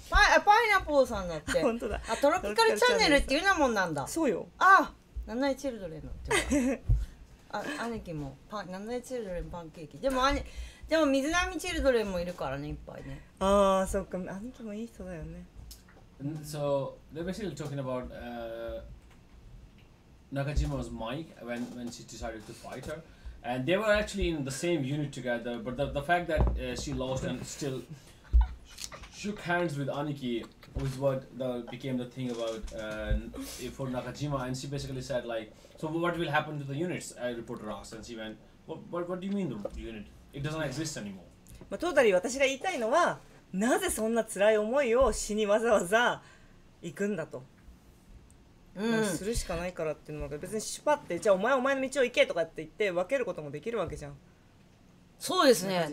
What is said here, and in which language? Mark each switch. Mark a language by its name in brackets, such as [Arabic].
[Japanese] パイナポーさんだって。本当だ。あ、トロピカルチャンネルっていうなもんなんだ。そうよ。あ、ナナイチルドレンのってあ、兄貴もパン、ナナイチルドレンパンケーキでも兄でも水波チルドレンもいるからね、いっぱいね。ああ、そっか、兄貴もいい人だよね。 [English] So, they're basically talking about Nakajima's mic when she decided to fight her. And they were actually in the same unit together, but the fact that she lost and still shook hands with Aniki was what became the thing about for Nakajima. And she basically said like, so what will happen to the units? A reporter asked, and she went, what do you mean the unit? It doesn't exist anymore. [Japanese] まあ、トータリー私が言いたいのは、なぜそんな辛い思いを死にわざわざ行くんだと、するしかないからっていうのが、別にシュパってじゃあお前の道を行けとかって言って分けることもできるわけじゃん。そうですね。